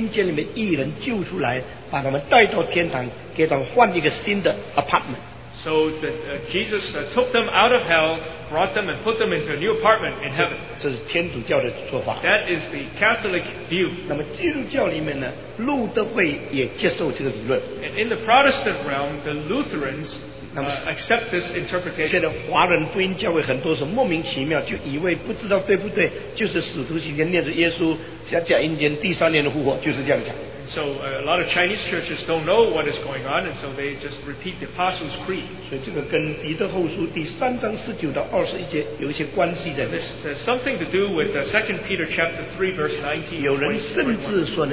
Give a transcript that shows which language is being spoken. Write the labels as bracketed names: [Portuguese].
[Chinese] 所以耶稣到阴间去是把这些阴间里面义人救出来, 把他们带到天堂, 给他们换一个新的 apartment. [English] So that Jesus took them out of hell, brought them and put them into a new apartment in heaven. [Chinese] 这是天主教的说法。 [English] That is the Catholic view. [Chinese] 那么基督教里面呢, 路德会也接受这个理论。 [English] And in the Protestant realm, the Lutherans accept this interpretation. [Chinese] 现在华人福音教会很多是莫名其妙，就以为不知道对不对, 就是使徒行前念着耶稣, 下一阴间第三年的复活，就是这样讲。 [English] So a lot of Chinese churches don't know what is going on, and so they just repeat the Apostles' Creed. [Chinese] 所以这个跟彼得后书第三章19到21节有一些关系在。 [English] This has something to do with 2 Peter chapter 3 verse 19.